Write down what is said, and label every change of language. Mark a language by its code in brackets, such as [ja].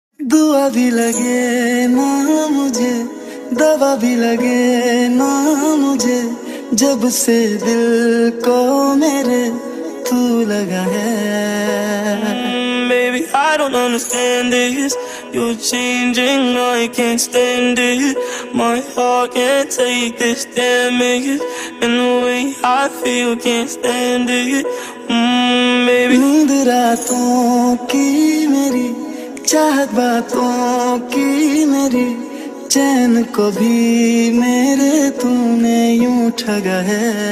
[hi] दुआ भी लगे ना मुझे, दवा भी लगे ना मुझे, जब से दिल को मेरे तू लगा है। [en] Baby, I don't understand this. You're changing, I can't stand it. My heart can't take this damage. And the way I feel, can't stand it. Baby, [hi] नींद रातों की मेरी, चाहत बातों की मेरी, चैन को भी मेरे तूने यूं ठगा है।